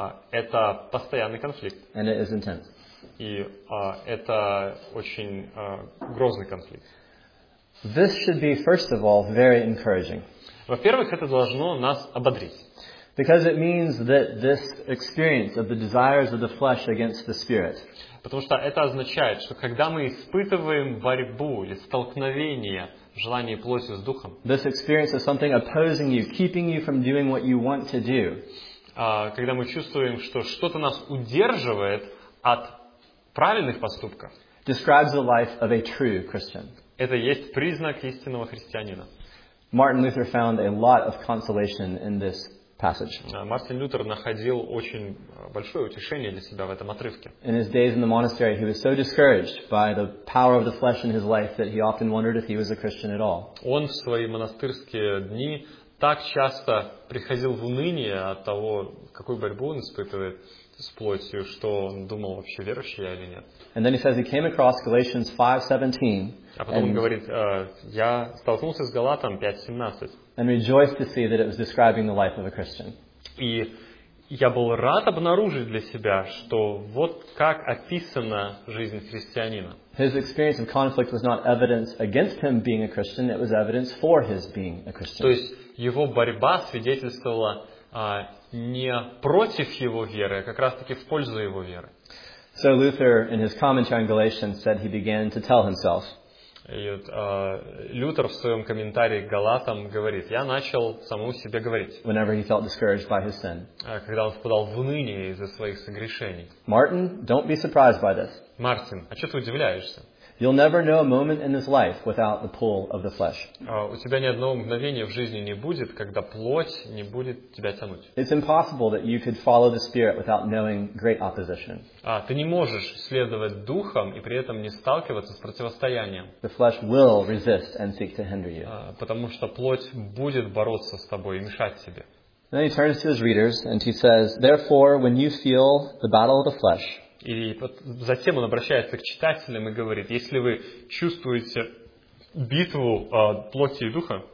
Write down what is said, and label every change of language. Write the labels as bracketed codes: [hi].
[ru] Это постоянный конфликт. [en] And it is intense. [ru] И это очень грозный конфликт. [en] This should be, first of all, very encouraging. [ru] Во-первых, это должно нас ободрить. [en] Because it means that this experience of the desires of the flesh against the Spirit. [ru] Потому что это означает, что когда мы испытываем борьбу или столкновение желаний плоти с духом. [en] This experience is something opposing you, keeping you from doing what you want to do. [ru] Когда мы чувствуем, что что-то нас удерживает от правильных поступков. [en] Describes the life of a true Christian. [ru] Это есть признак истинного христианина. [en] Martin Luther found a lot of consolation in this passage. [ru] Мартин Лютер находил очень большое утешение для себя в этом отрывке. [en] In his days in the monastery, he was so discouraged by the power of the flesh in his life that he often wondered if he was a Christian at all. [ru] Он в свои монастырские дни так часто приходил в уныние от того, какую борьбу он испытывает с плотью, что он думал, вообще верующий я или нет. [en] And then he says he came across Galatians 5:17. [ru] А потом он говорит, я столкнулся с Галатом 5:17. [en] And rejoiced to see that it was describing the life of a Christian. [ru] И я был рад обнаружить для себя, что вот как описана жизнь христианина. [en] His experience of conflict was not evidence against him being a Christian, it was evidence for his being a Christian. [ru] То есть его борьба свидетельствовала не против его веры, а как раз-таки в пользу его веры. [en] So Luther, in his commentary on Galatians, said he began to tell himself. [ru] И Лютер в своем комментарии к Галатам говорит, я начал самому себе говорить. [en] Whenever he felt discouraged by his sin. [ru] Когда он впадал в уныние из-за своих согрешений. [en] Martin, don't be surprised by this. [ru] Мартин, а что ты удивляешься? [en] You'll never know a moment in this life without the pull of the flesh. [ru] У тебя ни одного мгновения в жизни не будет, когда плоть не будет тебя тянуть. [en] It's impossible that you could follow the Spirit without knowing great opposition. [ru] Ты не можешь следовать духом и при этом не сталкиваться с противостоянием. [en] The flesh will resist and seek to hinder you. [ru] Потому что плоть будет бороться с тобой и мешать тебе. [en] Then he turns to his readers and he says, "Therefore, when you feel the battle of the flesh." [ru] И затем он обращается к читателям и говорит, если вы чувствуете битву плоти и духа,